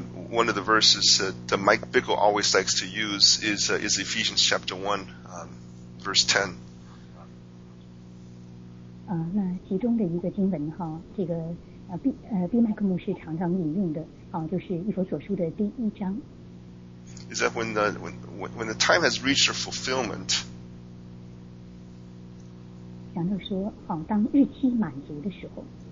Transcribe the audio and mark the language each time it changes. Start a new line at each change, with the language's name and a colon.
English: One of the verses that Mike Bickle always likes to use is Ephesians chapter 1, verse 10.
Chinese: 那其中的一个经文这个B Mike 牧师常常引用的就是以弗所书的第一章。
English: Is that when the time has reached their fulfillment?
Chinese: 讲到说，当日期满足的时候。